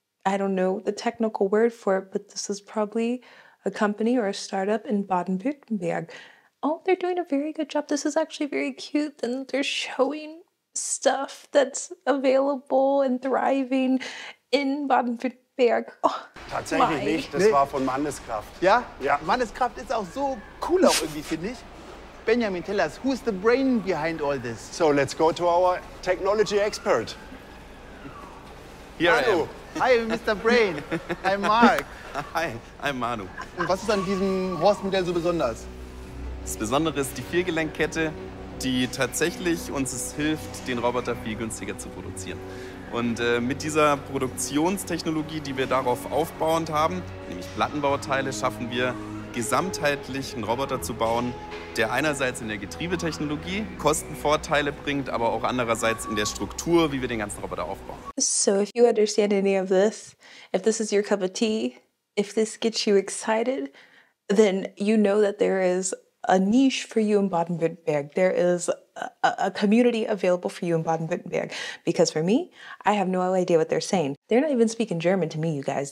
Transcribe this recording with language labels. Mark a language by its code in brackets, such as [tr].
[en] I don't know the technical word for it, but this is probably a company or a startup in Baden-Württemberg. Oh, they're doing a very good job. This is actually very cute, and they're showing stuff that's available and thriving in Baden-Württemberg. Oh, [de] tatsächlich [en] my. [de] Nicht. Das war von Manneskraft. Ja? Ja. Manneskraft ist auch so cool auch irgendwie, finde ich. [en] Benjamin, tell us, who's the brain behind all this? So let's go to our technology expert. Here I am. Hi, Mr. Brain. I'm Mark. Hi, I'm Manu. [de] Und was ist an diesem Horstmodell so besonders? Das Besondere ist die Viergelenkkette, die tatsächlich uns es hilft, den Roboter viel günstiger zu produzieren. Und mit dieser Produktionstechnologie, die wir darauf aufbauend haben, nämlich Plattenbauteile, schaffen wir gesamtheitlich einen Roboter zu bauen, der einerseits in der Getriebetechnologie Kostenvorteile bringt, aber auch andererseits in der Struktur, wie wir den ganzen Roboter aufbauen. [en] So, if you understand any of this, if this is your cup of tea, if this gets you excited, then you know that there is a niche for you in Baden-Württemberg. There is a community available for you in Baden-Württemberg. Because for me, I have no idea what they're saying. They're not even speaking German to me, you guys.